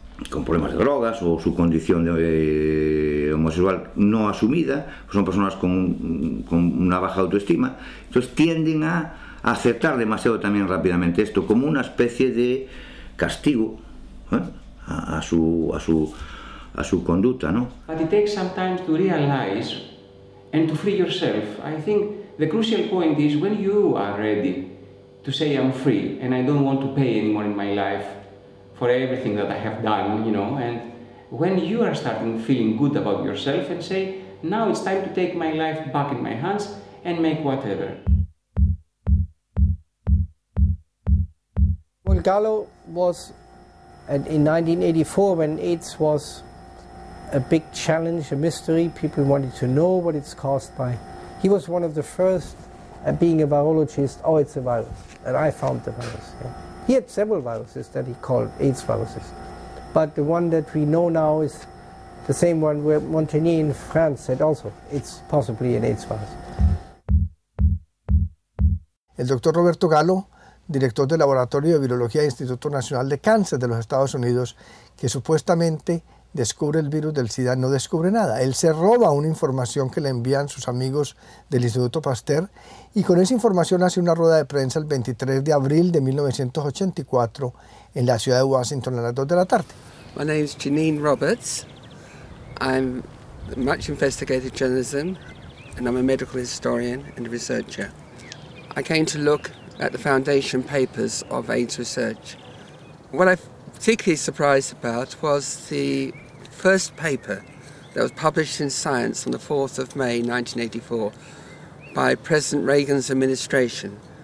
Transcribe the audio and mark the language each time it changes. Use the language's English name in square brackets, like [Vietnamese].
[Spanish] con problemas de drogas o su condición de homosexual no asumida, pues son personas con una baja autoestima, entonces tienden a aceptar demasiado también rápidamente esto como una especie de castigo, ¿eh? a su conducta, ¿no? [English] But it takes some time to realize and to free yourself. I think the crucial point is when you are ready to say I'm free and I don't want to pay anymore in my life for everything that I have done, you know, and when you are starting feeling good about yourself and say now it's time to take my life back in my hands and make whatever. Well, Gallo was in 1984 when AIDS was a big challenge, a mystery, people wanted to know what it's caused by. He was one of the first at being a virologist, oh, it's a virus, and I found the virus. Yeah. He had several viruses that he called AIDS viruses, but the one that we know now is the same one where Montagnier in France said also, it's possibly an AIDS virus. [Spanish] El doctor Roberto Gallo, director del Laboratorio de Virología del Instituto Nacional de Cáncer de los Estados Unidos, que supuestamente descubre el virus del SIDA, no descubre nada. Él se roba una información que le envían sus amigos del Instituto Pasteur y con esa información hace una rueda de prensa el 23 de abril de 1984 en la ciudad de Washington a las 2 de la tarde. [English] My name is Janine Roberts. I'm much investigated journalism and I'm a medical historian and researcher. I came to look at the foundation papers of AIDS research. What I particularly surprised about was the first paper that was published in Science on the 4th of May 1984 by President Reagan's administration.